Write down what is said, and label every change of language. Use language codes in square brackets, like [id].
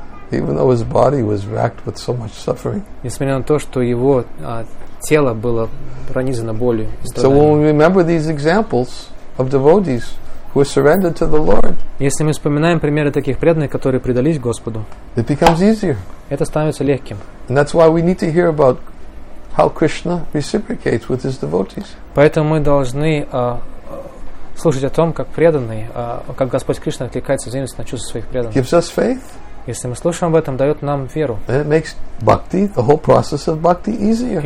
[en] Even though his body was racked with so much suffering. [ru] Несмотря на то, что его тело было пронизано болью. [en] So when we remember these examples of devotees who surrendered to the Lord. [ru] Если мы вспоминаем примеры таких преданных, которые предались Господу. [en] It becomes easier. [ru] Это становится легким. [en] And that's why we need to hear about how Krishna reciprocates with his devotees. [ru] Поэтому мы должны слушать о том, как преданный, как Господь Кришна откликается взаимно на чувства своих преданных. [en] Gives us faith. [ru] Если мы слушаем об этом, дает нам веру. [en] And it makes bhakti, the whole process of bhakti easier.